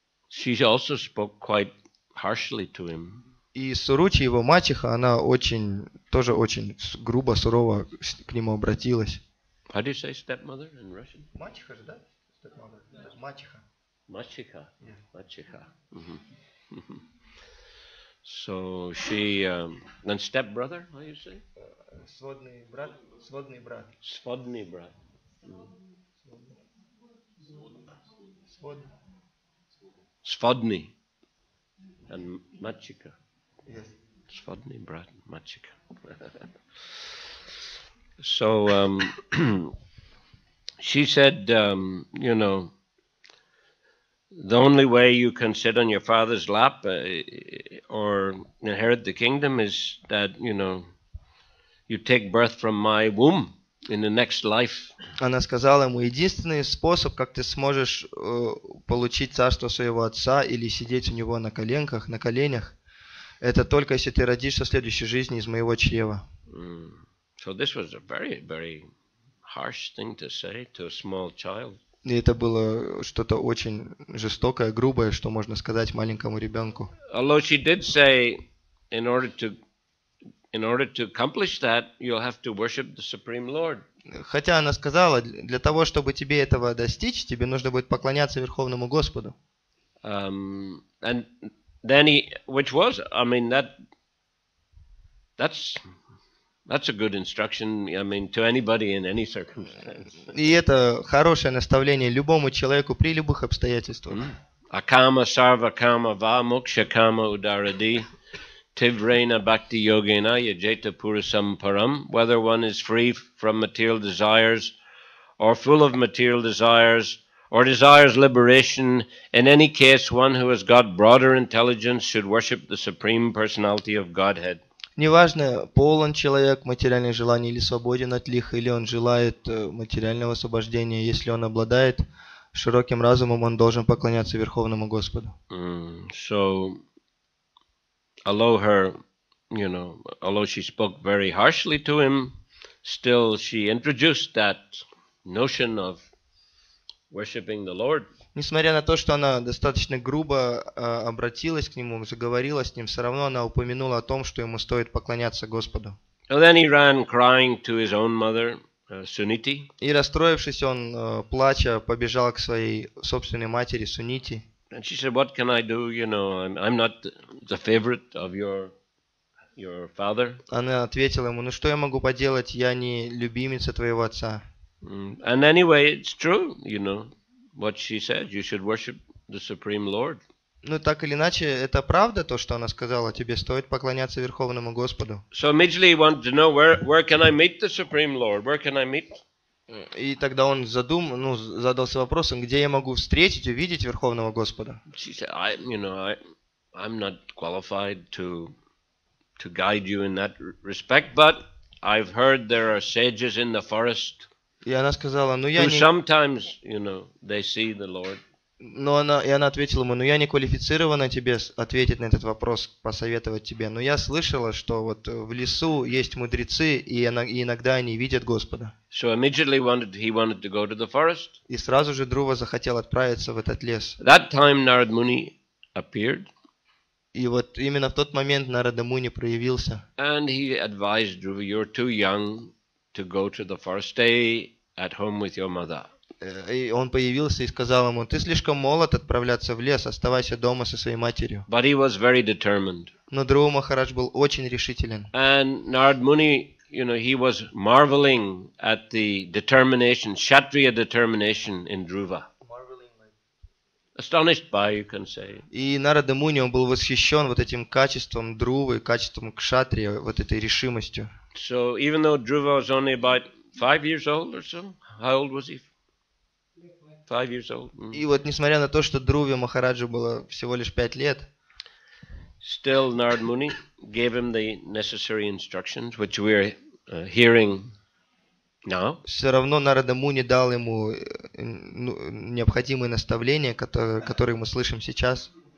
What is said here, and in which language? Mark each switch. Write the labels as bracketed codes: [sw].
[en] She also spoke quite harshly to him. [ru] И Суручи, его мачеха, она очень, тоже очень грубо, сурово к нему обратилась. [en] How do you say stepmother in Russian? [ru] Мачеха же, да? [en] Stepmother. Yes. [ru] Мачеха. Мачеха. [en] Yeah. [ru] Мачеха. [en] So she, then stepbrother, how do you say? [ru] Сводный брат. Сводный брат. Сводный брат. Сводный. Svodni and Machika. [en] Yes. [ru] Svodni brat Machika. [en] So she said, you know, the only way you can sit on your father's lap or inherit the kingdom is that, you know, you take birth from my womb in the next life. [ru] Она сказала ему: единственный способ, как ты сможешь получить царство своего отца или сидеть у него на коленках, на коленях, это только если ты родишься в следующей жизни из моего чрева. [en] So this was a very, very harsh thing to say to a small child. [ru] И это было что-то очень жестокое, грубое, что можно сказать маленькому ребенку. [en] Although she did say, in order to accomplish that, you'll have to worship the Supreme Lord. [ru] Хотя она сказала, для того, чтобы тебе этого достичь, тебе нужно будет поклоняться Верховному Господу. [en] And then he, which was, I mean, that's a good instruction, I mean, to anybody in any circumstance. [ru] И это хорошее наставление любому человеку при любых обстоятельствах. [sa] Акама сарва кама ва мокша кама ударади. Tivrena bhakti yogena yajeta purusam param. [en] Whether one is free from material desires or full of material desires or desires liberation, in any case, one who has got broader intelligence should worship the Supreme Personality of Godhead. [ru] Неважно, полон человек материальных желаний или свободен от лиха, или он желает материального освобождения, если он обладает широким разумом, он должен поклоняться Верховному Господу. [en] So, although her, you know, although she spoke very harshly to him, still she introduced that notion of worshiping the Lord. [ru] Несмотря на то, что она достаточно грубо обратилась к нему, заговорила с ним, все равно она упомянула о том, что ему стоит поклоняться Господу. [en] And then he ran crying to his own mother, Suniti. [ru] И расстроившись, он плача побежал к своей собственной матери Сунити. [en] And she said, "What can I do? You know, I'm not the favorite of your father." [ru] Она ответила ему: "Ну что я могу поделать? Я не любимица твоего отца." [en] And anyway, it's true, you know, what she said. You should worship the Supreme Lord. [ru] Ну так или иначе, это правда то, что она сказала. Тебе стоит поклоняться Верховному Господу. [en] So immediately he wanted to know where can I meet the Supreme Lord? Where can I meet? [ru] И тогда он задался вопросом, где я могу встретить, увидеть Верховного Господа. [en] She said, I'm not qualified to guide you in that respect, but I've heard there are sages in the forest. [ru] И она сказала, [en] sometimes, you know, they see the Lord. [ru] И она ответила ему, я не квалифицирована тебе ответить на этот вопрос, посоветовать тебе. Но я слышала, что вот в лесу есть мудрецы, и иногда они видят Господа. [en] So immediately he wanted to go to the forest. [ru] И сразу же Друва захотел отправиться в этот лес. [en] That time Narad Muni appeared. [ru] И вот именно в тот момент Нарада Муни проявился. [en] And he advised Druva, you're too young to go to the forest, stay at home with your mother. [ru] И он появился и сказал ему, ты слишком молод отправляться в лес, оставайся дома со своей матерью. [en] But he was very determined. [ru] Но Друва Махарадж был очень решителен. [en] And Narad Muni, you know, he was marveling at the determination, Kshatriya determination in Druva. Astonished by, you can say. [ru] И Нарада Муни, он был восхищен вот этим качеством Друвы, качеством кшатрия, вот этой решимостью. [en] So even though Druva was only about 5 years old or so, how old was he? 5 years old. [ru] И вот несмотря на то, что Друве Махараджу было всего лишь 5 лет, [en] still Narad Muni gave him the necessary instructions, which we are hearing. Now, [ru] все равно Нарада Муни дал ему необходимые наставления, которые мы слышим сейчас.